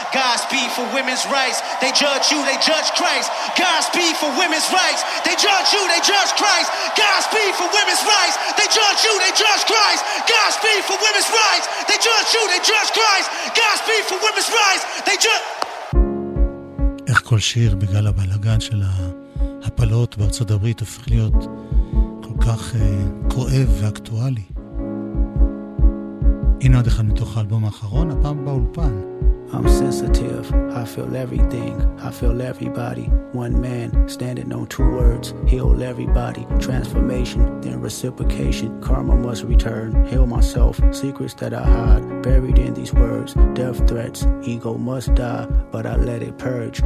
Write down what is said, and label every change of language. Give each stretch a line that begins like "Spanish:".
English: Godspeed for women's rights. They judge you, they judge Christ. Godspeed for women's rights. They judge you, they judge Christ. Godspeed for women's rights. They judge you, they judge Christ. Godspeed for women's rights. They judge you, they judge Christ. Godspeed for women's rights. They judge.
Hebrew: איך כל שיר בגלל הבלגן של הפלות בארצות הברית הופך להיות כל כך כואב ואקטואלי. הנה עוד אחד מתוך האלבום האחרון, הפעם באולפן.
English: I'm sensitive, I feel everything, I feel everybody. One man, standing on two words, heal everybody. Transformation, then reciprocation, karma must return. Heal myself, secrets that I hide, buried in these words. Death threats, ego must die, but I let it purge.